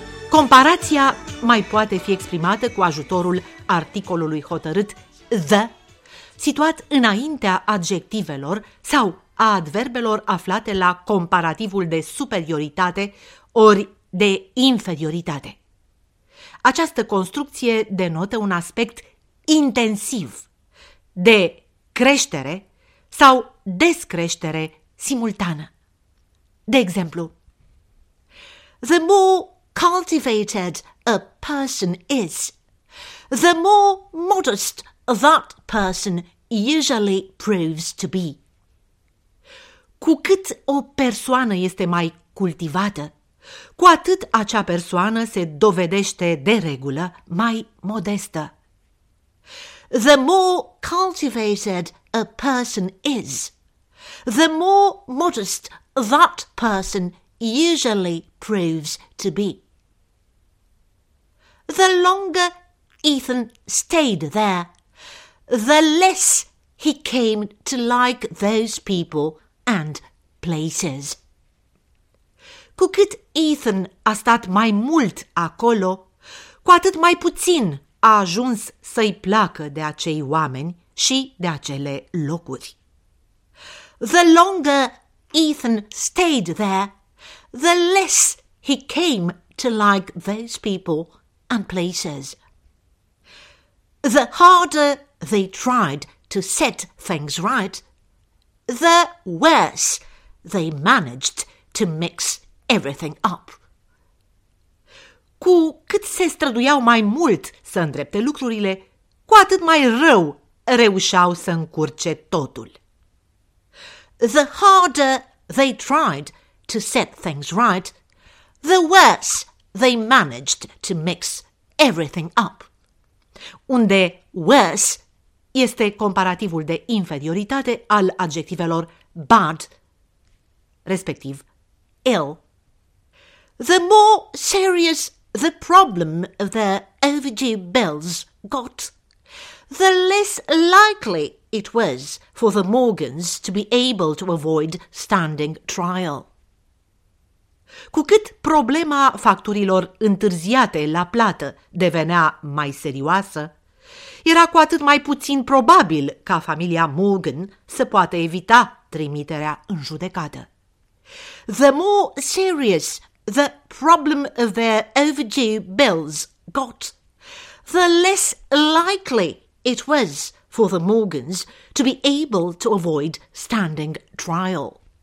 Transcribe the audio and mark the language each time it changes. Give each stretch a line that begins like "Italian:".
Romanian: Comparația mai poate fi exprimată cu ajutorul articolului hotărât the, situat înaintea adjectivelor sau a adverbelor aflate la comparativul de superioritate ori de inferioritate. Această construcție denotă un aspect intensiv, de creștere sau descreștere simultană. De exemplu,
English: the more cultivated a person is, the more modest that person usually proves to be.
Romanian: Cu cât o persoană este mai cultivată, cu atât acea persoană se dovedește de regulă mai modestă.
English: The more cultivated a person is, the more modest that person usually proves to be. The longer Ethan stayed there, the less he came to like those people and places.
Romanian: Cu cât Ethan a stat mai mult acolo, cu atât mai puțin a ajuns să-i placă de acei oameni și de acele locuri.
English: The longer Ethan stayed there, the less he came to like those people and places. The harder they tried to set things right, the worse they managed to mix everything up.
Romanian: Cu cât se străduiau mai mult să îndrepte lucrurile, cu atât mai rău reușeau să încurce totul.
English: The harder they tried to set things right, the worse they managed to mix everything up.
Romanian: Unde worse este comparativul de inferioritate al adjectivelor bad, respectiv ill.
English: The more serious the problem of their overdue bills got, the less likely it was for the Morgans to be able to avoid standing trial.
Romanian: Cu cât problema facturilor întârziate la plată devenea mai serioasă, era cu atât mai puțin probabil ca familia Morgan să poată evita trimiterea în judecată.
English: The more serious the problem of their overdue bills got, the less likely it was for the Morgans to be able to avoid standing trial.